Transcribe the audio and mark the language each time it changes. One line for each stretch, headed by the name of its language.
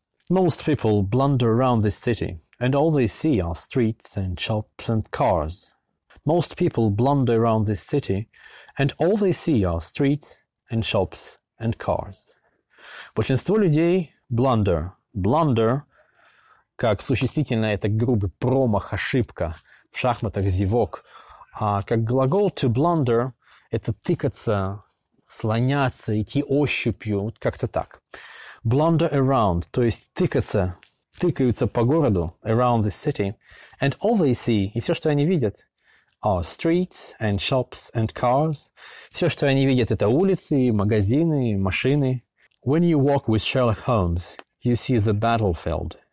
English: Most people blunder around this city, and all they see are streets and shops and cars. Most people blunder around this city, and all they see are streets and shops and cars.
Russian: Большинство людей blunder. Blunder, как существительное, это грубый промах, ошибка. В шахматах зевок. А как глагол to blunder, это тыкаться, слоняться, идти ощупью, вот как-то так.
English: Blunder around,
Russian: то есть тыкаться, тыкаются по городу,
English: around the city, and all they see,
Russian: и все, что они видят,
English: are streets and shops and cars.
Russian: Все, что они видят, это улицы, магазины, машины.
English: When you walk with Sherlock Holmes, you see the battlefield.